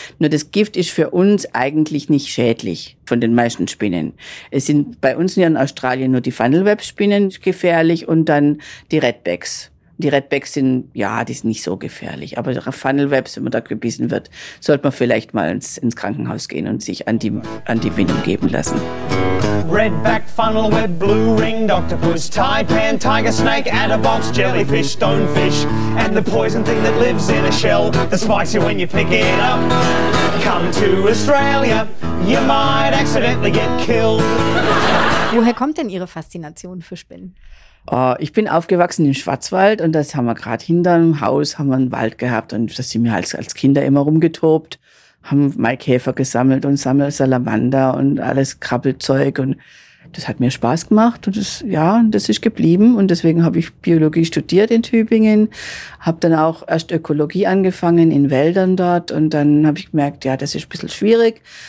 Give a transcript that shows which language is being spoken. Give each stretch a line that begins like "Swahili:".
German: Nur das Gift ist für uns eigentlich nicht schädlich von den meisten Spinnen. Es sind bei uns hier in Australien nur die Funnelweb-Spinnen gefährlich und dann die Redbacks. Die Redbacks sind, ja, die sind nicht so gefährlich. Aber Funnelwebs, wenn man da gebissen wird, sollte man vielleicht mal ins Krankenhaus gehen und sich an die Windung geben lassen.
English: Redback, Funnelweb, Blue Ring, Octopus, Taipan, Tiger Snake, Adderbox, Jellyfish, Stonefish, and the poison thing that lives in a shell, the spicy when you pick it up. Come to Australia, you might accidentally get killed.
German: Woher kommt denn Ihre Faszination für Spinnen? Ich bin aufgewachsen im Schwarzwald und das haben wir gerade hinter dem Haus, haben wir einen Wald gehabt, und da sind wir als Kinder immer rumgetobt, haben Maikäfer gesammelt und Salamander und alles Krabbelzeug, und das hat mir Spaß gemacht und das ist geblieben, und deswegen habe ich Biologie studiert in Tübingen, habe dann auch erst Ökologie angefangen in Wäldern dort, und dann habe ich gemerkt, ja, das ist ein bisschen schwierig.